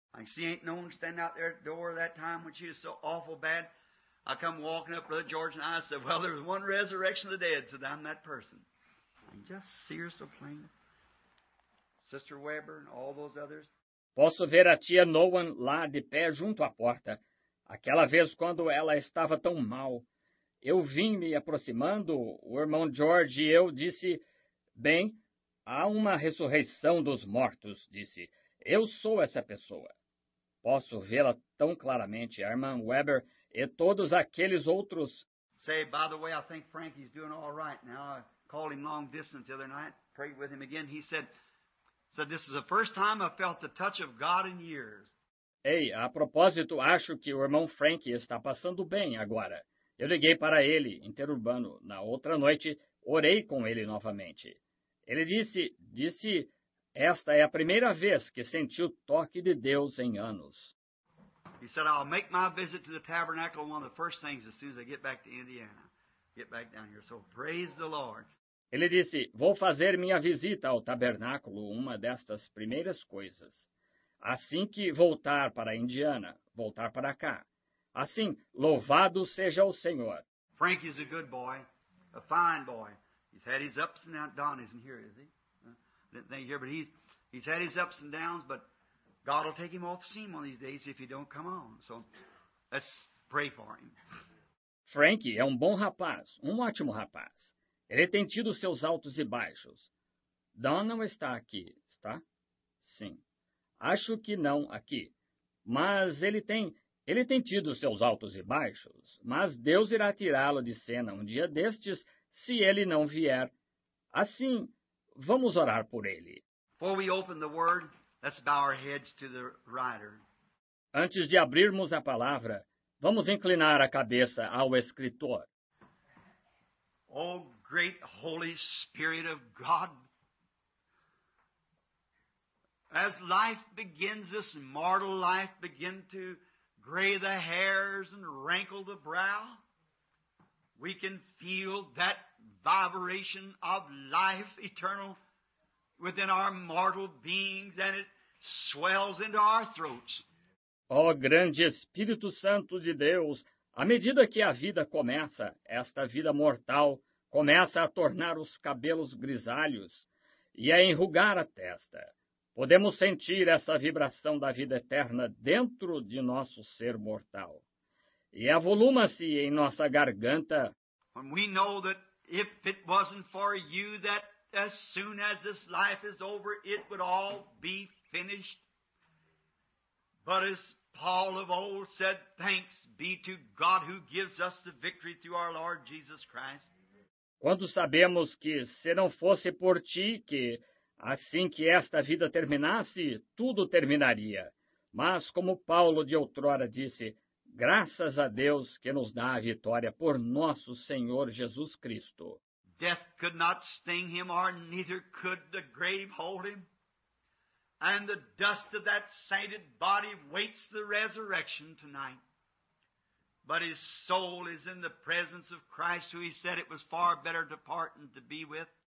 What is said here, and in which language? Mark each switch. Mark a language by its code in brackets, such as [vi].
[en] I see ain't no one standing out there at the door that time when she was so awful bad. I come walking up, Brother George, and I said, well, there's one resurrection of the dead, so I'm that person. I just see her so plain. Sister Weber and all those others. [pt] Posso ver a tia Nolan lá de pé junto à porta. Aquela vez quando ela estava tão mal. Eu vim me aproximando, o irmão George e eu disse, bem, há uma ressurreição dos mortos, disse. Eu sou essa pessoa. Posso vê-la tão claramente, a irmã Weber e todos aqueles outros. [en] Say, by the way, I think Frankie's doing all right now. I called him long distance the other night, prayed with him again. He said, this is the first time I felt the touch of God in years. [pt] Ei, a propósito, acho que o irmão Frank está passando bem agora. Eu liguei para ele, interurbano, na outra noite, orei com ele novamente. Ele disse, esta é a primeira vez que senti o toque de Deus em anos. [en] He said, I'll make my visit to the tabernacle one of the first things as soon as I get back to Indiana. Get back down here. So praise the Lord. [pt] Ele disse, vou fazer minha visita ao tabernáculo, uma destas primeiras coisas. Assim que voltar para a Indiana, voltar para cá. Assim, louvado seja o Senhor. [en] Frank is a good boy, a fine boy. He's had his ups and downs. He isn't here, is he? Didn't think here, but he's had his ups and downs, but God will take him off the seam one of these days if he don't come on. So let's pray for him. [pt] Frank é um bom rapaz, um ótimo rapaz. Ele tem tido seus altos e baixos. Don não está aqui, está? Sim. Acho que não aqui. Mas ele tem tido seus altos e baixos. Mas Deus irá tirá-lo de cena um dia destes, se ele não vier. Assim, vamos orar por ele. [en] Before we open the word, let's bow our heads to the writer. [pt] Antes de abrirmos a palavra, vamos inclinar a cabeça ao escritor. [en] Oh, great Holy Spirit of God, as life begins, this mortal life begin to gray the hairs and wrinkle the brow, we can feel that vibration of life eternal within our mortal beings, and it swells into our throats. [pt] Oh, grande Espírito Santo de Deus, à medida que a vida começa, esta vida mortal começa a tornar os cabelos grisalhos e a enrugar a testa. Podemos sentir essa vibração da vida eterna dentro de nosso ser mortal. E avoluma-se em nossa garganta. [en] When we know that if it wasn't for you, that as soon as this life is over, it would all be finished. But as Paul of old said, thanks be to God who gives us the victory through our Lord Jesus Christ. [pt] Quando sabemos que, se não fosse por ti, que, assim que esta vida terminasse, tudo terminaria. Mas, como Paulo de outrora disse, graças a Deus que nos dá a vitória por nosso Senhor Jesus Cristo. [en] Death could not sting him, or neither could the grave hold him. And the dust of that sainted body waits the resurrection tonight. But his soul is in the presence of Christ, who he said it was far better to part than to be with.